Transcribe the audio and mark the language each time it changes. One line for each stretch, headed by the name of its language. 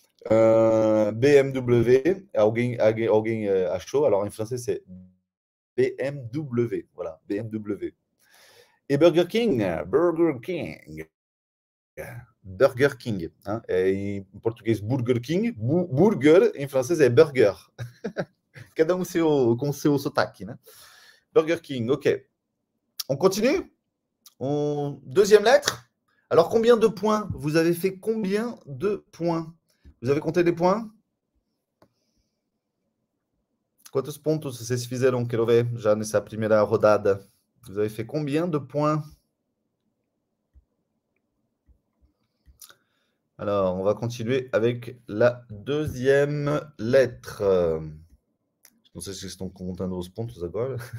French: BMW, alguien à chaud, alors en français c'est BMW, voilà, BMW. Et Burger King, Burger King. Burger King, hein, et en portugais Burger King, burger en français c'est burger.
Portuguese: Cada um com seu sotaque, né?
French: Burger King, ok. On continue? Deuxième lettre. Alors combien de points? Vous avez fait combien de points? Vous avez compté des points?
Portuguese: Quantos pontos vocês fizeram? Quero ver já nessa primeira rodada.
French: Vous avez fait combien de points? Alors, on va continuer avec la deuxième lettre. Je ne sais pas si ils sont contents de vos points d'abord.